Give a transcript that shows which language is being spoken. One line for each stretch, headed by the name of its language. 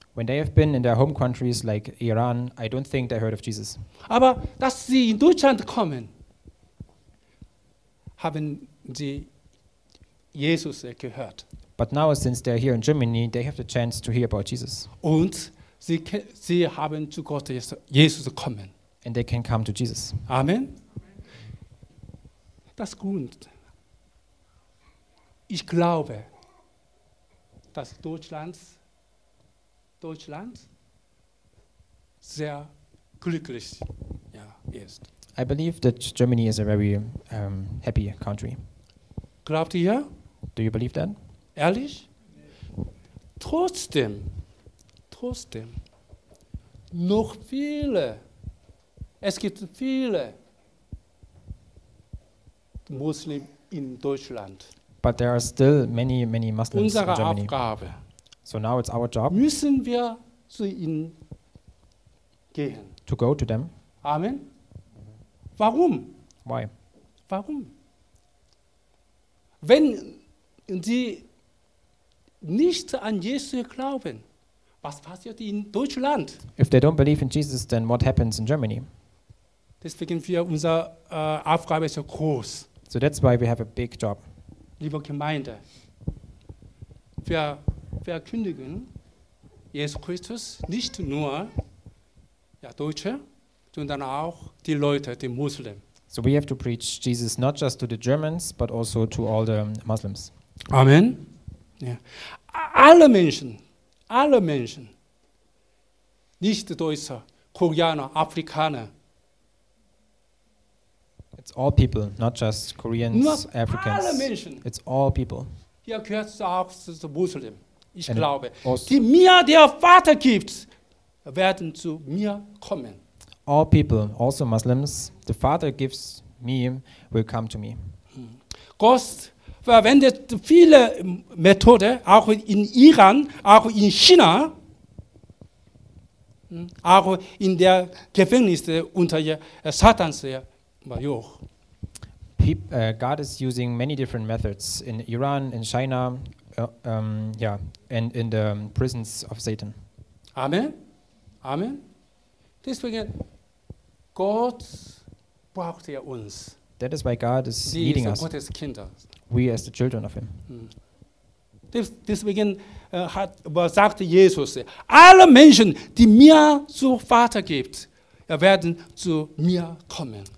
English: When they have been in their home countries like Iran, I don't think they heard of Jesus.
German: Aber dass sie in Deutschland kommen, haben sie Jesus gehört.
English: But now, since they're here in Germany, they have the chance to hear about Jesus.
German: Und sie haben zu Gott Jesus kommen.
English: And they can come to Jesus.
German: Amen. Das ist gut. Ich glaube, dass Deutschland sehr glücklich ist.
English: I believe that Germany is a very happy country.
German: Glaubt ihr?
English: Do you believe that?
German: Ehrlich? Nee. Trotzdem, noch viele, es gibt viele Muslime in Deutschland.
English: But there are still many, many Muslims
German: unsere
English: in Germany.
German: Unsere Aufgabe.
English: So now it's our job.
German: Müssen wir zu ihnen gehen.
English: To go to them.
German: Amen. Warum?
English: Why?
German: Warum? Wenn sie nicht an Jesus glauben, was passiert in Deutschland?
English: If they don't believe in Jesus, then what happens in Germany?
German: Deswegen wir unsere Aufgabe so groß.
English: So that's why we have a big job.
German: Liebe Gemeinde, wir verkündigen Jesus Christus nicht nur Deutsche, sondern auch die Leute, die Muslime.
English: So we have to preach Jesus not just to the Germans, but also to all the Muslims.
German: Amen. Ja. Alle Menschen, nicht Deutsche, Koreaner, Afrikaner.
English: It's all people, not just Koreans, not Africans.
German: Alle Menschen.
English: It's all people.
German: Hier gehört auch zu Muslim. Ich and glaube, die mir der Vater gibt, werden zu mir kommen.
English: All people, also Muslims, the Father gives me, will come to me.
German: Gott verwendet viele Methoden, auch in Iran, auch in China, auch in der Gefängnis unter Satans Joch.
English: God is using many different methods in Iran, in China, and in the prisons of Satan. Amen. Amen.
German: Deswegen, Gott braucht ja uns.
English: That is why God is Sie leading us.
German: Gottes Kinder.
English: We as the children of him.
German: Deswegen sagt Jesus, alle Menschen, die mir zu Vater gibt, werden zu mir kommen.